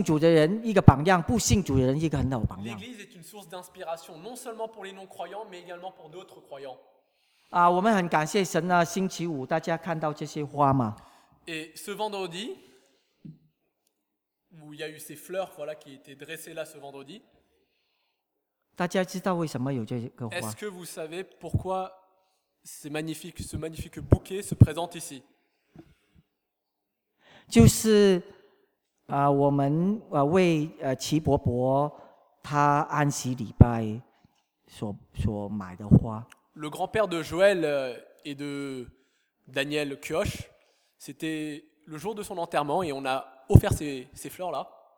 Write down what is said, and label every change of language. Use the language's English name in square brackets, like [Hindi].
[Chinese] 信主的人一个榜样，不信主的人一个很好的榜样。 [French] L'église est une source d'inspiration non seulement pour les non-croyants mais également pour d'autres croyants. [Chinese] 我们很感谢神啊，星期五大家看到这些花嘛。 [French] Et ce vendredi où il y a eu ces fleurs voilà qui étaient dressées là ce vendredi. [Chinese] 大家知道为什么有这个花？ [French] Est-ce que vous savez pourquoi ce magnifique bouquet se présente ici? [Chinese] 就是我们为齐伯伯他安息礼拜所买的花。 [French] Le grand-père de Joël et de Daniel Kioche, c'était le jour de son enterrement et on a offert ces fleurs-là.